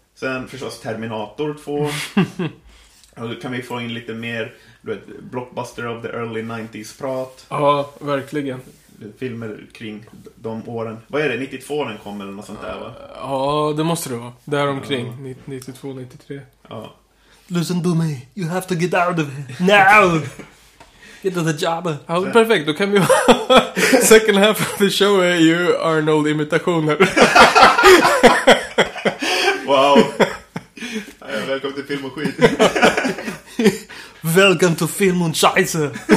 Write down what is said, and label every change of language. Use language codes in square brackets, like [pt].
[sv] Sen förstås Terminator 2. Och då kan vi få in lite mer, du vet, [en] blockbuster of the early 90s- [sv] prat. Ja, verkligen. Filmer kring de åren. Vad är det, 92 den kom eller något sånt där, va? Ja, det måste det vara. Där omkring, 92-93. Ja. [en] Listen to me, you have to get out of here now! Get to the job. [sv] Ja, perfekt, då kan vi ha [en] second half of the show [sv] är ju Arnold-imitationer. Wow. Välkommen till Film och Skit. [en] Welcome to Film och Scheisse.